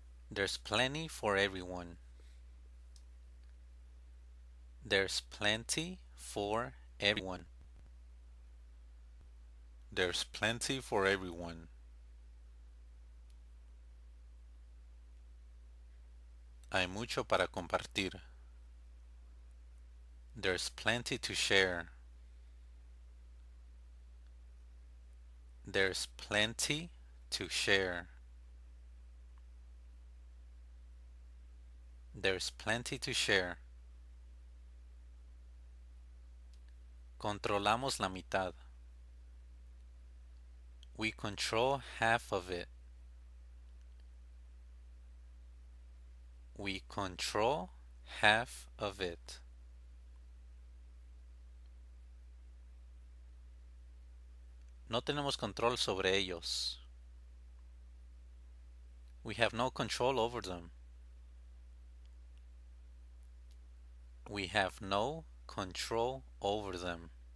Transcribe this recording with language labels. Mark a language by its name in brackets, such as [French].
[English] There's plenty for everyone. There's plenty for everyone. There's plenty for everyone. [Spanish] Hay mucho para compartir. [English] There's plenty to share. There's plenty to share. There's plenty to share. [Spanish] Controlamos la mitad. [English] We control half of it. We control half of it. [Spanish] No tenemos control sobre ellos. [English] We have no control over them. We have no control over them.